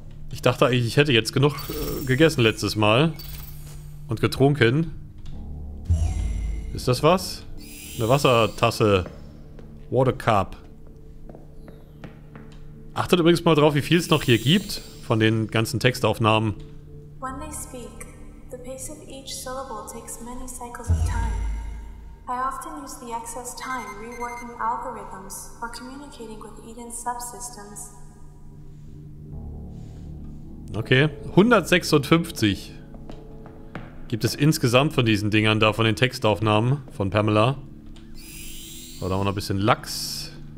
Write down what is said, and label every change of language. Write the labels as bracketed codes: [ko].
[de] Ich dachte eigentlich, ich hätte jetzt genug gegessen letztes Mal. Und getrunken. Ist das was? Eine Wassertasse. [en] Water Cup. [de] Achtet übrigens mal drauf, wie viel es noch hier gibt. Von den ganzen Textaufnahmen. [en] When they speak, the pace of each syllable takes many cycles of time. I often use the excess time reworking algorithms or communicating with Eden subsystems. [de] Okay, 156 gibt es insgesamt von diesen Dingern da, von den Textaufnahmen von Pamela. Oder auch noch ein bisschen Lachs.